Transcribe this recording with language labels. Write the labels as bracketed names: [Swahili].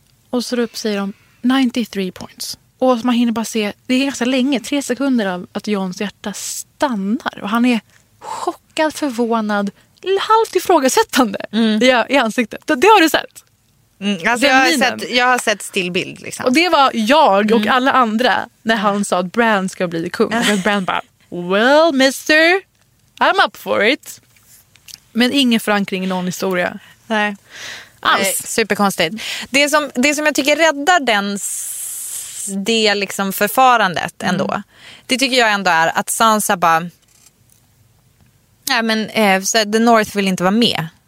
[Swedish] Och så upp säger de 93 points. Och man hinner bara se, det är ganska länge, 3 sekunder av att Johns hjärta stannar. Och han är chockad, förvånad, halvt ifrågasättande i ansiktet. Det har du sett? Mm, alltså jag har sett stillbild liksom. Och det var jag och alla andra när han sa att Bran ska bli kung. Och Bran bara, [English] well mister, I'm up for it. [Swedish] Men ingen förankring i någon historia. Nej. Alls. Nej, superkonstigt. Det som jag tycker räddar den det liksom förfarandet ändå. Mm. Det tycker jag ändå är att Sansa bara, nej men så The North vill inte vara med.